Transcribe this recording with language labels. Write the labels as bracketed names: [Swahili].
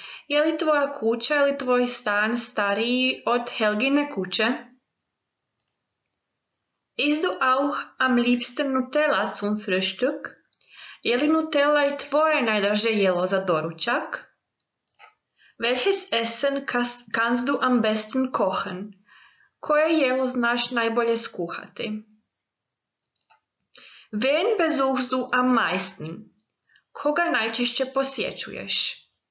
[Croatian] Je li tvoja kuća ili tvoj stan stariji od Helgine kuće? [German] Isst du auch am liebsten Nutella zum Frühstück? [Croatian] Je li Nutella i tvoje najdraže jelo za doručak? [German] Welches Essen kannst du am besten kochen? [Croatian] Koje jelo znaš najbolje skuhati? [German] Wen besuchst du am meisten? [Croatian] Koga najčešće posjećuješ?